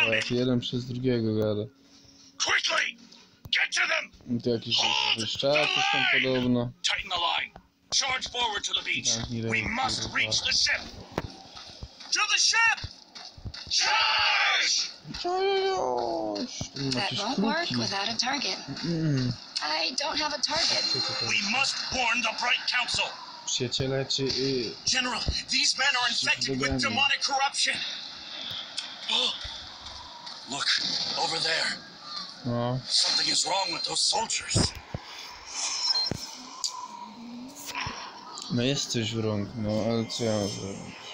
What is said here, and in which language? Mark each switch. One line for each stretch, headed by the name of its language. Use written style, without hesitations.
Polish: Jeden przez drugiego gada.
English: Quickly! Get to them!
Polish: To jakiś szczap jest tam podobno.
English: Tighten the line. Charge forward to the beach. We must reach the ship. To the ship! Charge! Charge! That won't work without a target. I don't have a target. We must warn the Bright Council.
Polish: Przyjaciele, czy...
English: General, these men are infected with demonic corruption. Oh, look, over there. No. Something is wrong with those soldiers.
Polish: No jest coś
English: wrong,
Polish: no ale co ja mam.